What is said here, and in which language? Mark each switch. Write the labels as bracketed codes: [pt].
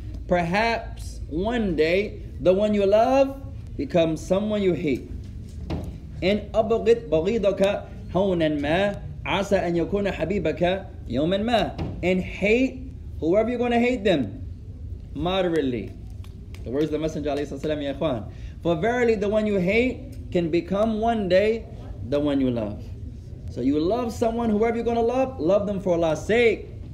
[en] Perhaps one day the one you love becomes someone you hate. [ar] إن أبغض بغيضك هونا ما عسى أن يكون حبيبك يوما ما. [en] And hate whoever you're going to hate them moderately. The words of the Messenger عليه الصلاة والسلام, يا إخوان. For verily the one you hate can become one day the one you love. So you love someone, whoever you're going to love, love them for Allah's sake.